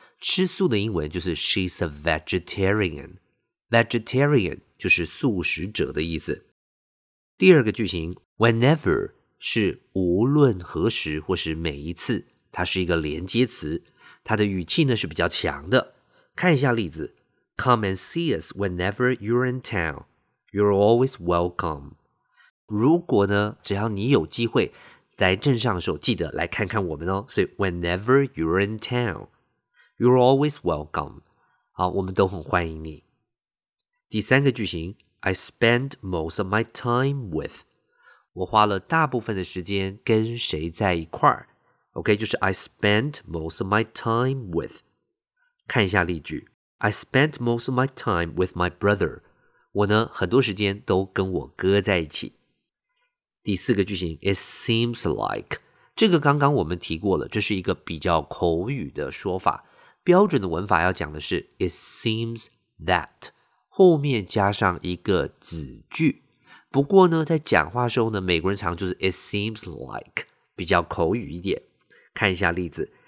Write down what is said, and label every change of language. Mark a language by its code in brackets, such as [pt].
[zh] 吃素的英文就是 [en] she's a vegetarian， [zh] vegetarian 就是素食者的意思。第二个句型 whenever 是无论何时或是每一次，它是一个连接词，它的语气呢是比较强的。看一下例子， [en] Come and see us whenever you're in town. You're always welcome. [zh] 如果呢只要你有机会来镇上的时候记得来看看我们哦，所以 [en] whenever you're in town, you're always welcome. [zh] 好，我们都很欢迎你。第三个句型 [en] I spend most of my time with， [zh] 我花了大部分的时间跟谁在一块儿。 OK， 就是 [en] I spend most of my time with。 [zh] 看一下例句， [en] I spend most of my time with my brother， [zh] 我呢很多时间都跟我哥在一起。第四个句型 It seems like， 这个刚刚我们提过了，这是一个比较口语的说法，标准的文法要讲的是 It seems that后面加上一个子句，不过呢，在讲话时候呢，美国人常就是 it seems like 比较口语一点。看一下例子